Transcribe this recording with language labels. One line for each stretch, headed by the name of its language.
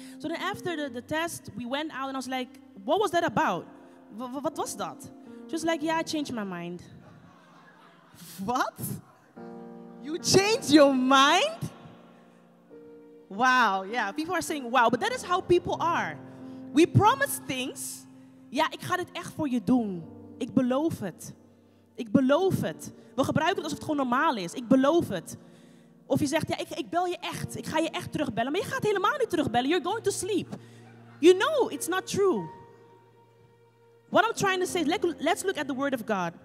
English: So then after the test, we went out and I was like, what was that about? What was that? She was like, yeah, I changed my mind. What? You changed your mind? Wow, yeah, people are saying wow, but that is how people are. We promise things.
Dutch: Ja, ik ga dit echt voor je doen. Ik beloof het. Ik beloof het. We gebruiken het alsof het gewoon normaal is. Ik beloof het. Of je zegt, ja, ik bel je echt. Ik ga je echt terugbellen. Maar je gaat helemaal niet terugbellen.
English: You're going to sleep. You know it's not true. What I'm trying to say is, let's look at the word of God.